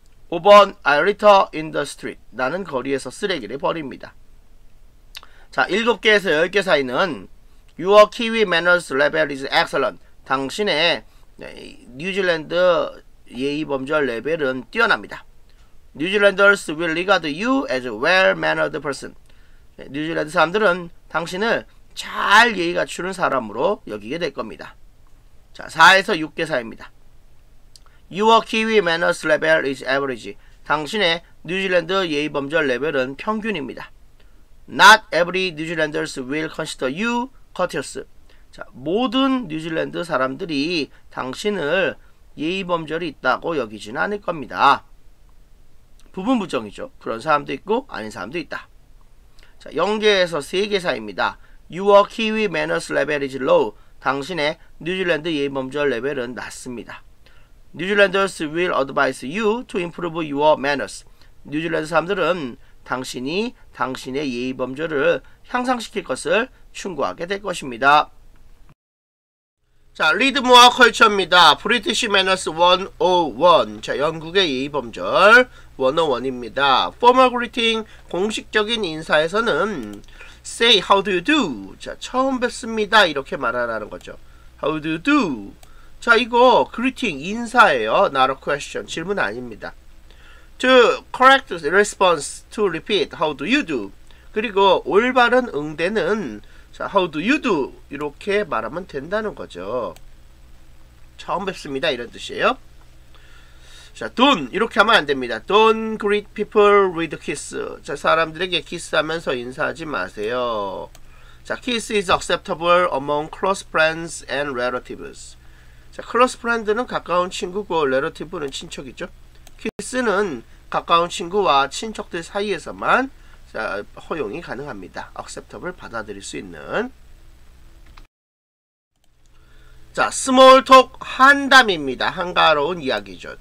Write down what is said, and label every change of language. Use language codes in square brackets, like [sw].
[en] 5번, I litter in the street. [ko] 나는 거리에서 쓰레기를 버립니다. [en] 자, [ko] 7개에서 10개 사이는 [en] Your Kiwi manners level is excellent. [ko] 당신의 뉴질랜드 예의범절 레벨은 뛰어납니다. [en] Newzealanders will regard you as a well-mannered person. [ko] 뉴질랜드 사람들은 당신을 잘 예의 갖추는 사람으로 여기게 될 겁니다. [en] 자, [ko] 4에서 6개 사이입니다. [en] Your Kiwi manners level is average. [ko] 당신의 뉴질랜드 예의 범절 레벨은 평균입니다. [en] Not every Newzealanders will consider you courteous. [ko] 자, 모든 뉴질랜드 사람들이 당신을 예의 범절이 있다고 여기진 않을 겁니다. 부분 부정이죠. 그런 사람도 있고 아닌 사람도 있다. 자, 0개에서 3개 사이입니다. [en] Your Kiwi manners level is low. [ko] 당신의 뉴질랜드 예의 범절 레벨은 낮습니다. [en] Newzealanders will advise you to improve your manners. [ko] 뉴질랜드 사람들은 당신이 당신의 예의 범절을 향상시킬 것을 충고하게 될 것입니다. 자, 리드모어 컬처입니다. [en] British Manners 101. [ko] 자, 영국의 예의 범절 101입니다. [en] Formal greeting, [ko] 공식적인 인사에서는 [en] Say, how do you do? [ko] 자, 처음 뵙습니다. 이렇게 말하라는 거죠. [en] How do you do? [ko] 자, 이거 greeting, 인사예요. [en] Not a question, [ko] 질문 아닙니다. [en] To correct response, to repeat, how do you do? [ko] 그리고 올바른 응대는 자, [en] how do you do? [ko] 이렇게 말하면 된다는 거죠. 처음 뵙습니다. 이런 뜻이에요. 자, don't. 이렇게 하면 안 됩니다. [en] Don't greet people with kiss. [ko] 자, 사람들에게 키스하면서 인사하지 마세요. [en] 자, kiss is acceptable among close friends and relatives. [ko] 자, close friend는 가까운 친구고, relative는 친척이죠. kiss는 가까운 친구와 친척들 사이에서만 자, 허용이 가능합니다. acceptable 받아들일 수 있는. 자, small talk 한담입니다. 한가로운 이야기죠.